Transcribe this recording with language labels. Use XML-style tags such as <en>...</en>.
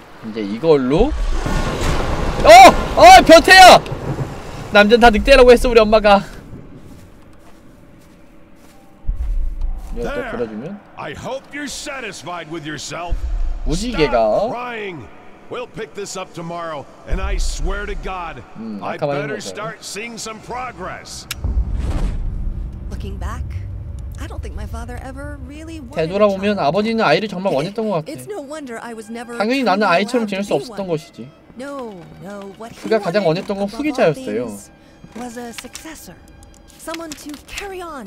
<ko>이제 이걸로. 어! 어! 변태야! 남자는 다 늑대라고 했어 우리 엄마가. 또 그려주면.</ko> <en>I hope you're satisfied with yourself.</en> <ko>무지개가.</ko> <en>Stop crying. We'll pick this up tomorrow, and I swear to God, I better start seeing some progress. Looking back, I don't think my father ever really wanted.</en> <ko>되돌아보면 아버지는 아이를 정말 원했던 것 같아.</ko> <en>It's no wonder I was never.</en> <ko>당연히 나는 아이처럼 지낼 수 없었던 것이지.</ko> <en>No, no. What?</en> <ko>그가 가장 원했던 건 후계자였어요.</ko> <en>Was a successor, someone to carry on.</en>